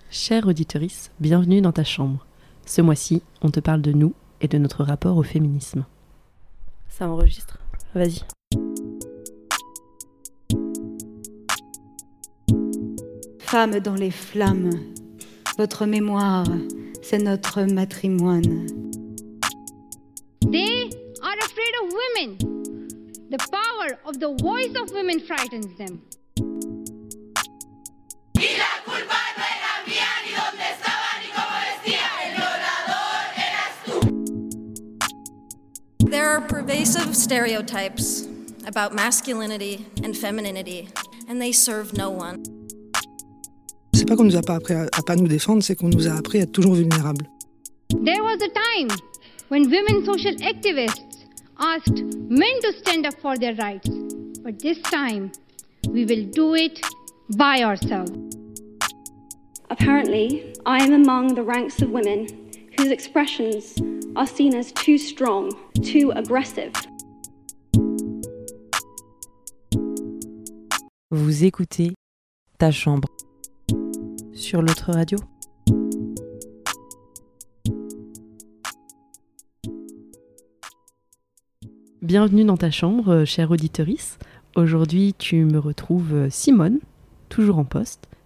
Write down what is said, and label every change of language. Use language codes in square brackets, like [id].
[fr] Chère auditrice, bienvenue dans ta chambre. Ce mois-ci, on te parle de nous et de notre rapport au féminisme. Ça enregistre. Vas-y. Femme dans les flammes, votre mémoire, c'est notre matrimoine. [en] They are afraid of women. The power of the voice of women frightens them. There are pervasive stereotypes about masculinity and femininity, and they serve no one. [fr] C'est pas qu'on nous a pas appris à pas nous défendre, c'est qu'on nous a appris à être toujours vulnérables. [en] There was a time when women social activists asked men to stand up for their rights, but this time we will do it by ourselves. Apparently, I am among the ranks of women whose expressions are seen as too strong, too aggressive. [fr] Vous écoutez Ta Chambre sur l'autre radio. Bienvenue dans ta chambre, chère auditrice. Aujourd'hui, tu me retrouves Simone, toujours en poste.